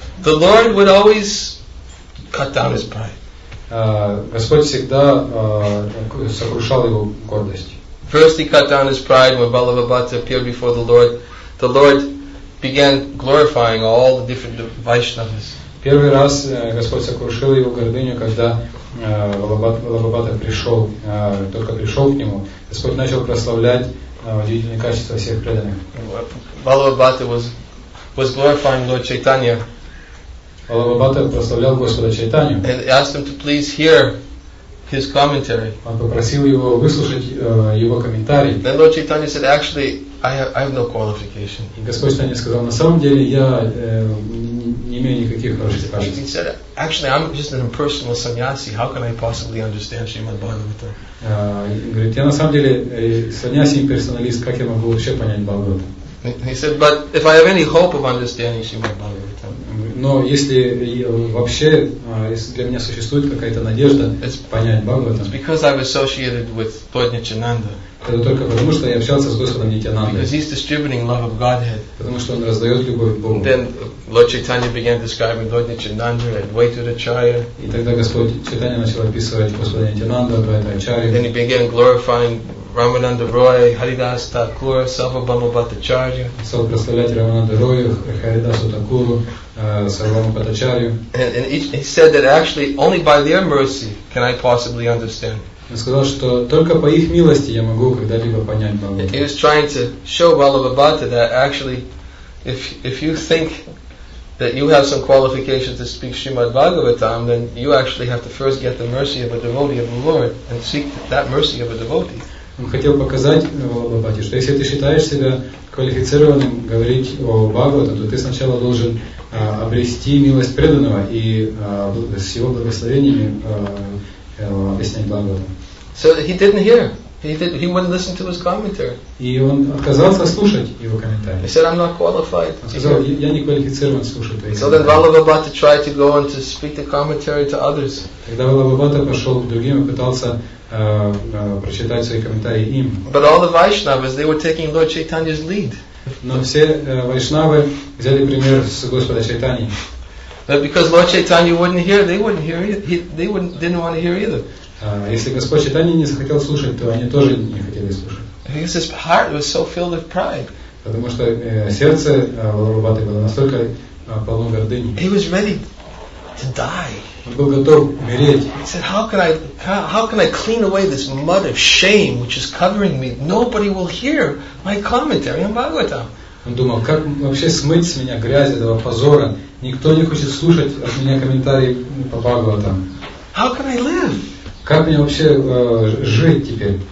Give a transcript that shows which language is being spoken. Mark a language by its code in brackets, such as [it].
[en] the Lord would always cut down his pride. [ru] Господь всегда сокрушал его гордость. [en] First he cut down his pride when Balabhata appeared before the Lord. The Lord began glorifying all the different Vaishnavas. [ru] Первый раз Господь сокрушил его гордыню, когда Балабхата пришел, только пришел к нему, Господь начал прославлять удивительные качества всех преданных. [en] Balabhata was glorifying Lord Chaitanya. [ru] Балабхата прославлял Господа Чайтанью. [en] And asked him to please hear his commentary. [ru] Он попросил его выслушать его комментарий. [en] Then Lord Chaitanya said, actually, I have no qualification. [ru] И Господь Чайтанья сказал, на самом деле я не имею никаких [en] qualifications. He said, actually, I'm just an impersonal sannyasi. How can I possibly understand Srimad Bhagavatam? [ru] Говорит, я на самом деле сannyasi, имперсоналист. Как я могу вообще понять Бхагавату? [en] He said, but if I have any hope of understanding Srimad Bhagavatam, [ru] но если вообще для меня существует какая-то надежда понять Бхагаватам, [en] because I've associated with Lord Nityananda, [ru] это только потому, что я общался с Господом Нитянандой, [en] because he's distributing love of Godhead, [ru] потому что он раздает любовь к Богу. [en] Then Lord Chaitanya began describing Lord Nityananda, Advaita Acharya, [ru] и тогда Господь Чайтанья начал описывать Господа Нитянанду, Advaita Acharya. [en] Then he began glorifying Ramananda Roy, Haridas Thakur, Sarvabhama Bhattacharya. [ru] Стал прославлять Рамананду Рою, Харидасу Такуру, Сарвабхама Бхаттачарью. [en] And he said that actually only by their mercy can I possibly understand. [ru] Он сказал, что только по их милости я могу когда-либо понять Бхагавату. [en] He was trying to show Balabhata that actually if you think that you have some qualification to speak Srimad Bhagavatam, then you actually have to first get the mercy of a devotee of the Lord and seek that mercy of a devotee. [ru] Он хотел показать Балабхате, что если ты считаешь себя квалифицированным говорить о Бхагавате, то ты сначала должен обрести милость преданного и с его благословениями объяснять Бхагавату. [en] So he didn't hear. He wouldn't listen to his commentary. [ru] И он отказался слушать его комментарий. [en] He said, "I'm not qualified." [ru] Он сказал, я не квалифицирован слушать твои комментарии. [en] So then Balabhata tried to go and to speak the commentary to others. [ru] Тогда Балабхата пошел к другим и пытался прочитать свои комментарии им. [en] But all the Vaishnavas, they were taking Lord Chaitanya's lead. [ru] Но все Вайшнавы взяли пример с Господа Чайтаньи. [en] But because Lord Chaitanya wouldn't hear, they wouldn't hear either. They didn't want to hear either. [ru] Если Господь Чайтанья не захотел слушать, то они тоже не хотели слушать. [en] Because his heart was so filled with pride. [ru] Потому что сердце Балабхаты было настолько полно гордыни. [en] He was ready to die. [ru] Он был готов умереть. [en] He said, how can I clean away this mud of shame which is covering me? Nobody will hear my commentary on Bhagavatam. [ru] Он думал, как вообще смыть с меня грязь этого позора? Никто не хочет слушать от меня комментарии по Бхагаватам. [en] How can I live? [ru] Как мне вообще жить теперь?